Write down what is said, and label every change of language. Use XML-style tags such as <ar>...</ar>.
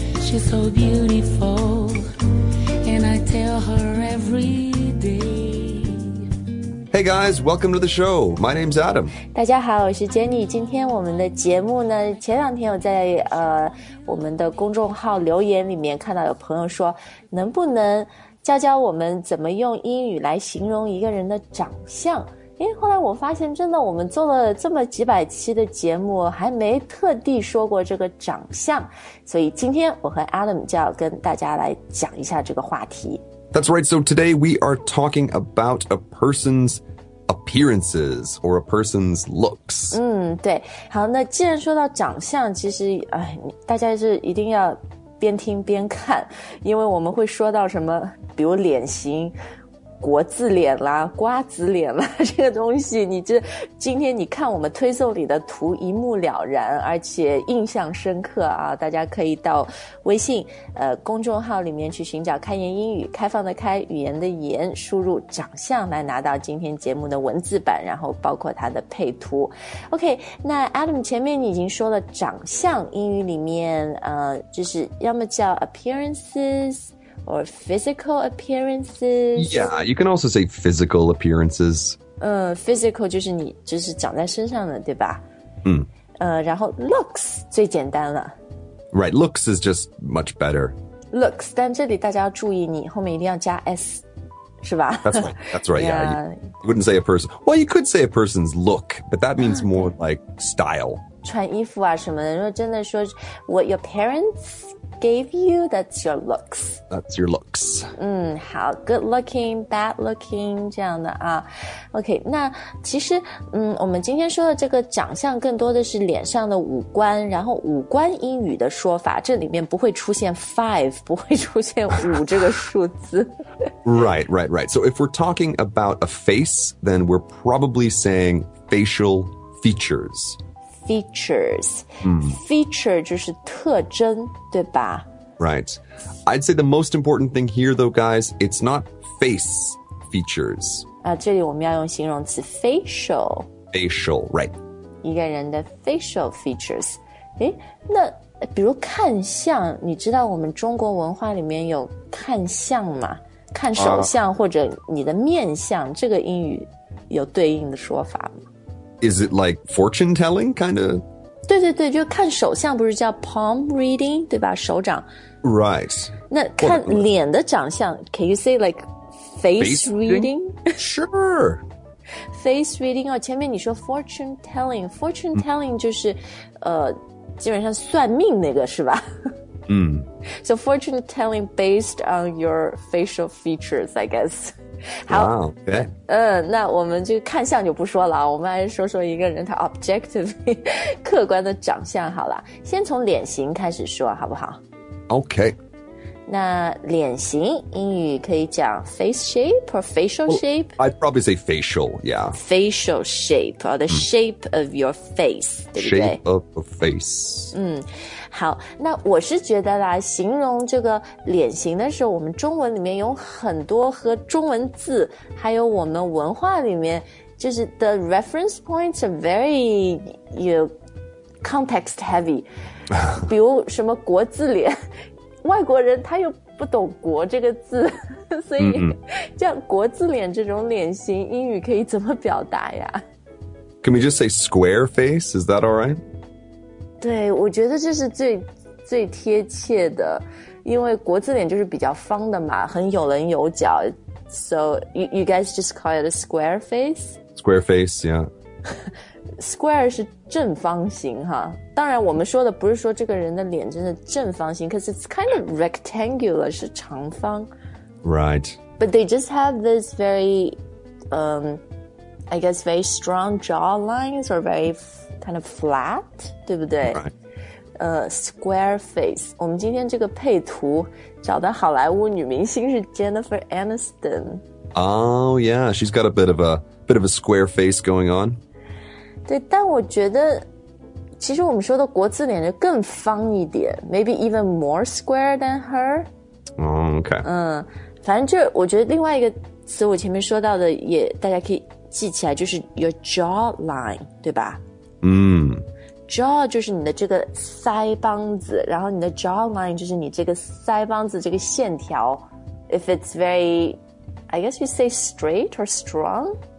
<en>she's so beautiful, and I tell her every day. Hey guys, welcome to the show. My name's Adam.</en> <zh>大家好，我是 Jenny。今天我们的节目呢，前两天我在我们的公众号留言里面看到有朋友说，能不能教教我们怎么用英语来形容一个人的长相？诶，后来我发现真的我们做了这么几百期的节目还没特地说过这个长相，所以今天我和 Adam 就要跟大家来讲一下这个话题。</zh> <en>That's right, so today we are talking about a person's appearances or a person's looks.</en> <zh>嗯，对，好，那既然说到长相，其实大家是一定要边听边看，因为我们会说到什么，比如脸型，国字脸啦，瓜子脸啦，这个东西你这今天你看我们推送里的图一目了然，而且印象深刻啊，大家可以到微信公众号里面去寻找开言英语，开放的开，语言的言，输入长相来拿到今天节目的文字版，然后包括它的配图。 OK, 那 Adam 前面你已经说了长相，英语里面就是要么叫</zh> <en>appearancesOr physical appearances. Yeah, you can also say physical appearances.</en> <zh>Physical 就是你就是长在身上的，对吧？嗯。然后 looks 最简单了。</zh> <en>Right, looks is just much better.</en> <zh>Looks, 但这里大家要注意，你后面一定要加 s, 是吧？</zh> <en>That's right. Yeah. You wouldn't say a person. Well, you could say a person's look, but that means more like style.</en> <zh>穿衣服啊什么的，如果真的说</zh> <en>what your parents. Gave you, that's your looks. 嗯，好， good looking, bad looking,</en> <zh>这样的啊。 OK, 那其实我们今天说的这个长相更多的是脸上的五官，然后五官英语的说法，这里面不会出现 five, 不会出现五这个数字。</zh> <en>Right. So if we're talking about a face, then we're probably saying facial features. Features.</en> <zh>Feature 就是特征，对吧？</zh> <en>Right. I'd say the most important thing here, though, guys, it's not face features.</en> <zh>这里我们要用形容词 facial.</zh> <en>Facial, right.</en> <zh>一个人的 facial features. 诶，那比如看相，你知道我们中国文化里面有看相吗？看手相或者你的面相，这个英语有对应的说法吗？</zh> <en>Is it like fortune telling, kind of?</en> <zh>对对对，就看手相不是叫 palm reading, 对吧？手掌。</zh> <en>Right.</en> <zh>那看脸的长相</zh> <en>can you say like face reading? Sure.</en> <zh>Face reading, 哦，前面你说 fortune telling, fortune telling 就是基本上算命那个是吧？</zh> <en>So fortune telling based on your facial features, I guess. 好 wow, okay.</en> <zh>那我们就看相就不说了，我们来说说一个人他 objectively 客观的长相好了，先从脸型开始说好不好？</zh> <en>OK,</en> <zh>那脸型英语可以讲 face shape or facial shape?</zh> <en>Well, I'd probably say facial, yeah. Facial shape, or the shape of your face,</en> <zh>对不对？</zh> <en>Shape of a face.</en> <zh>好，那我是觉得啦，形容这个脸型的时候，我们中文里面有很多和中文字，还有我们文化里面，就是</zh> <en>the reference points are very, you know, context heavy.</en> <zh>比如什么国字脸，外国人他又不懂国这个字，所以像国字脸这种脸型，英语可以怎么表达呀？</zh> <en>Can we just say square face? Is that all right?</en> <zh>对，我觉得这是最贴切的，因为国字脸就是比较方的嘛，很有棱有角。</zh> <en>So you guys just call it a square face? Square face, yeah.</en> <zh>Square 是正方形哈。当然，我们说的不是说这个人的脸真的正方形，可是</zh> <en>it's kind of rectangular,</en> <zh>是长方。</zh> <en>Right. But they just have this very, I guess, very strong jaw lines or very. Kind of flat,</en> <zh>对不对？</zh> <en>Square face.</en> <zh>我们今天这个配图找的好莱坞女明星是 Jennifer Aniston.</zh> <en>Oh, yeah. She's got a bit of a square face going on.</en> <zh>对，但我觉得其实我们说的国字脸就更方一点，</zh> <en>maybe even more square than her. Oh, okay.</en> <zh>反正就我觉得另外一个词我前面说到的也大家可以记起来，就是 your jaw line, 对吧？ Mm. jaw 就是你的这个腮帮子，然后你的 jawline 就是你这个腮帮子这个线条。</zh> <en>If it's very, I guess you say straight or strong?</en>